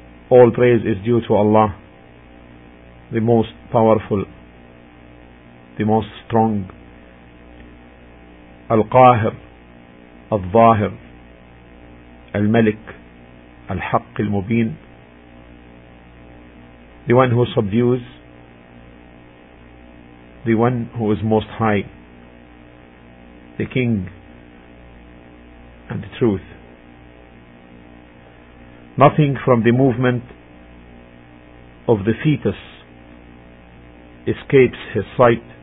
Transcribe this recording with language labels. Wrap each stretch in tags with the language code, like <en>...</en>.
<en>All praise is due to Allah, the most powerful, the most strong.</en> <ar>القاهر الظاهر الملك الحق المبين.</ar> <en>The one who subdues, the one who is most high, the King and the Truth. Nothing from the movement of the fetus escapes his sight.</en>